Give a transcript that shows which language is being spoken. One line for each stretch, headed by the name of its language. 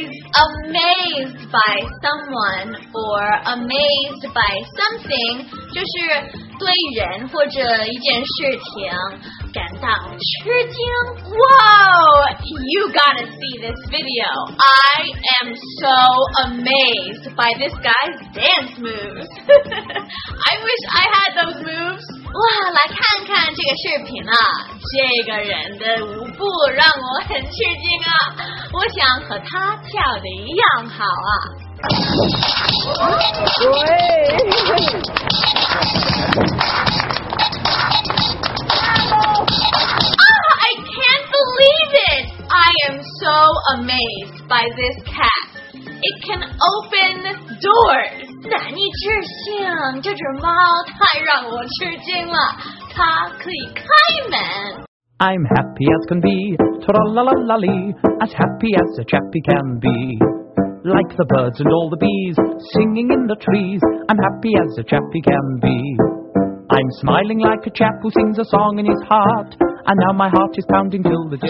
English: Amazed by someone or amazed by something
Chinese: 就是对人或者一件事情感到吃惊。
English: Wow, you gotta see this video. I am so amazed by this guy's dance moves. I wish I had those moves.
Chinese: 哇，来看看这个视频啊，这个人的舞步让我很吃惊啊，我想和他跳得一样好啊。
English: I can't believe it! I am so amazed by this cat. It can open doors.
Chinese: 难以置信，这只猫太让我吃惊了，它可以开门。
English: I'm happy as can be, tra-la-la-la-lee, as happy as a chappy can be. Like the birds and all the bees, singing in the trees, I'm happy as a chappy can be. I'm smiling like a chap who sings a song in his heart, and now my heart is pounding till the day.